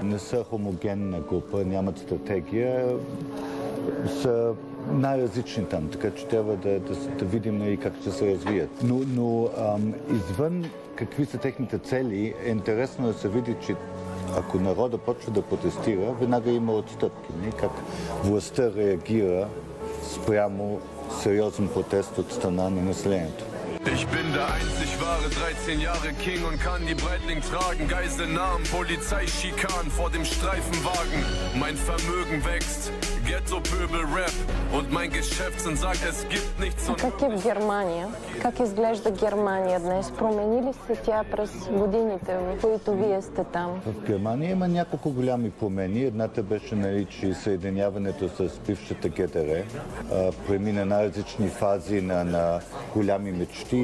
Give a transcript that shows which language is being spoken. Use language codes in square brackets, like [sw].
[bg] Не са хомогенна група, нямат стратегия. Са най-различни там, така че трябва да видим и как ще се развият. Но извън какви са техните цели, е интересно да се види, че ако народа почва да протестира, веднага има отстъпки. Не? Как властта реагира спрямо сериозен протест от страна на населението. [de] Ich bin der einzig wahre 13 Jahre King und kann die Breitling tragen. Geiselnahmen, Polizeischikanen vor dem Streifenwagen. Mein Vermögen wächst, Ghetto-Pöbel-Rap. Und mein Geschäftsinn sagt, es gibt nichts. [bg] Как е в Германия? Как изглежда Германия днес? Промени ли се тя през годините, в които вие сте там? В Германия има няколко голями промени. Едната беше, нали, че съединяването с бившата ГДР премина най-различни фази на голями мечти.